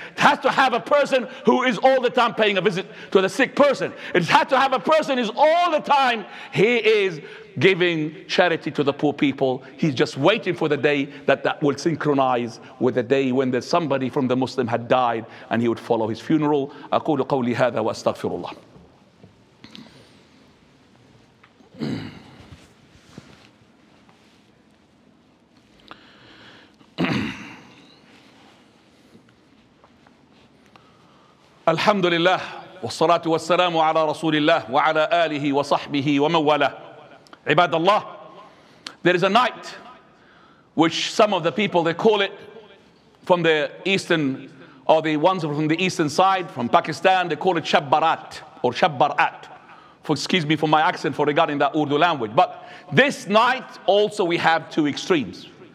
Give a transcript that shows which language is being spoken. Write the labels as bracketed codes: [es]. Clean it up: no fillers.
[en] It has to have a person who is all the time paying a visit to the sick person. It has to have a person is all the time, he is giving charity to the poor people. He's just waiting for the day that will synchronize with the day when there's somebody from the Muslim had died and he would follow his funeral. [ar] أقول قولي هذا وأستغفر الله. الحمد لله والصلاة والسلام على رسول الله وعلى آله وصحبه ومن والاه. عباد الله. [en] There is a night which some of the people, they call it from the eastern, or the ones from the eastern side, from Pakistan, they call it Shabbarat or Shabbarat. Excuse me for my accent for regarding that Urdu language. But this night also we have two extremes.